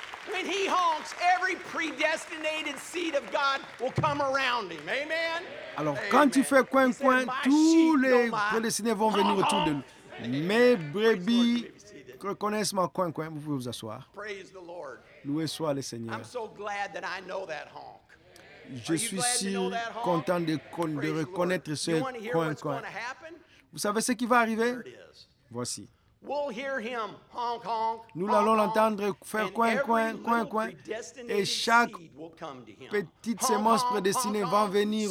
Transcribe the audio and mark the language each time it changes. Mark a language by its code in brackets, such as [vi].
[en] When he honks, every predestinated seed of God will come around him. Amen. [fr] Alors, [en] Amen. [fr] Quand tu fais coin-coin, tous les prédestinés vont venir autour de nous. Mes brebis reconnaissent ma coin-coin. Vous pouvez vous asseoir. [en] Praise the Lord. [fr] Loué soit le Seigneur. [en] I'm so glad that I know that honk. [fr] Je suis si content de reconnaître ce coin-coin. Vous savez ce qui va arriver? Voici. [en] We'll hear him honk, honk, [fr] nous l'allons l'entendre faire coin, coin, coin, coin, coin, et chaque petite semence prédestinée va venir